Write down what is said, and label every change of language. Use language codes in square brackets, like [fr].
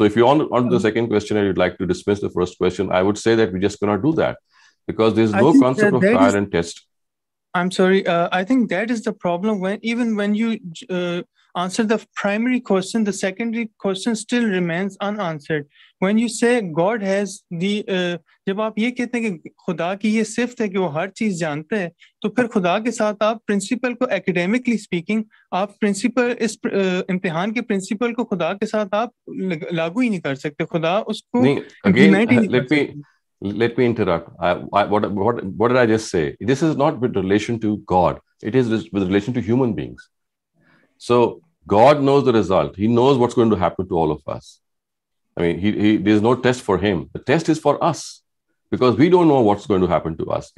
[en] So if you're on to the second question and you'd like to dismiss the first question, I would say that we just cannot do that, because there's no concept of trial and test. I'm sorry. I think that is the problem. Even when you answer the primary question, the secondary question still remains unanswered. When you say God has the... [ur] جب آپ یہ کہتے ہیں کہ خدا کی یہ صفت ہے کہ وہ ہر چیز جانتے ہیں, تو پھر خدا کے ساتھ آپ پرنسپل کو [en] academically speaking, [ur] آپ پرنسپل اس امتحان کے پرنسپل کو خدا کے ساتھ آپ لاگو ہی نہیں کر سکتے. خدا اس کو [en] نہیں, again, let me interrupt. What did I just say? This is not with relation to God. It is with relation to human beings. So God knows the result. He knows what's going to happen to all of us. I mean, he there's no test for him. The test is for us, because we don't know what's going to happen to us.